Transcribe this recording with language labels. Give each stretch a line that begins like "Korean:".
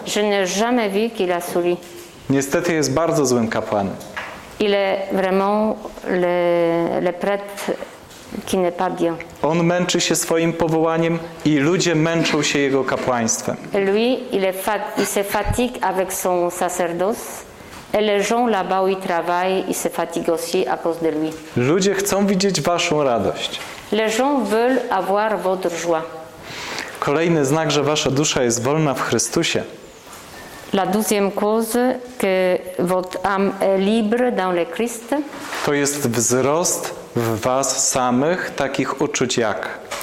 French: Je n'ai jamais vu qu'il a souri.
Polish: Niestety jest bardzo złym kapłanem.
French: Il est vraiment le prêtre qui n'est pas bien.
Polish: On męczy się swoim powołaniem i ludzie męczą się jego kapłaństwem.
French: Lui, il se fatigue avec son sacerdoce. Et les gens là-bas où ils travaillent, ils se fatiguent aussi à cause de lui.
Polish: Ludzie chcą widzieć waszą radość.
French: Les gens veulent avoir votre joie.
Polish: Kolejny znak, że wasza dusza jest wolna w Chrystusie.
French: La deuxième cause que votre âme est libre dans le Christ.
Polish: To jest wzrost w was samych takich uczuć jak.